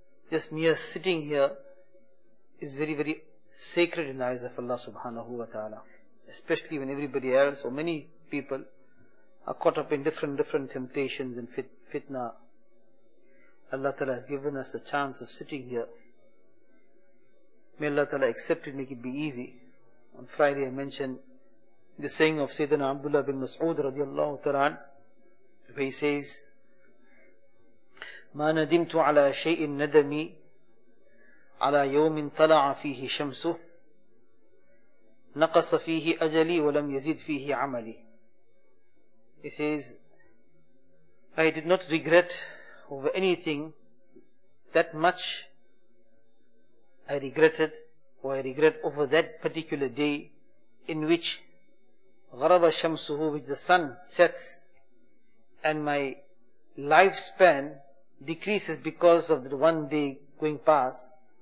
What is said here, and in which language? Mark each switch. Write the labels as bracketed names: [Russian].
[English] Just mere sitting here is very, very sacred in the eyes of Allah subhanahu wa ta'ala. Especially when everybody else or many people are caught up in different temptations and fitna. Allah Ta'ala has given us the chance of sitting here. May Allah Ta'ala accept it, make it be easy. On Friday I mentioned the saying of Sayyidina Abdullah bin Mas'ud radiallahu ta'ala, where he says, [Arabic] مَا نَدِمْتُ عَلَى شَيْءٍ نَدَمِي عَلَى يَوْمٍ طَلَعَ فِيهِ شَمْسُهُ نَقَصَ فِيهِ أَجَلِي وَلَمْ يَزِدْ فِيهِ عَمَلِي. [English] He says, I did not regret over anything that much I regret over that particular day in which [Arabic] غَرَبَ شَمْسُهُ, [English] which the sun sets, and my lifespan decreases because of the one day going past.